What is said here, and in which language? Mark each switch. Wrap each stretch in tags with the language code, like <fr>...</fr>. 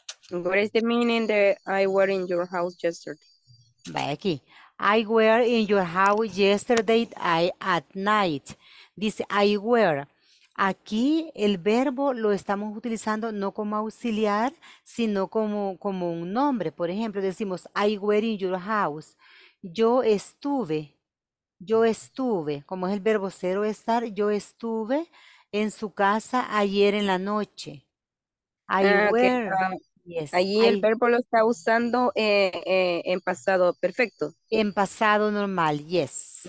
<en>What is the meaning that I were in your house yesterday?</en> <es>Vaya aquí.</es> <en>I were in your house yesterday at night. Dice I were.</en> <es>Aquí el verbo lo estamos utilizando no como auxiliar, sino como un nombre. Por ejemplo, decimos I were in your house. Yo estuve. Yo estuve, como es el verbo ser o estar, yo estuve en su casa ayer en la noche.</es> <en>I Ah, okay. were, yes,</en> <es>Allí el verbo lo está usando en pasado perfecto. en pasado normal, yes.</es>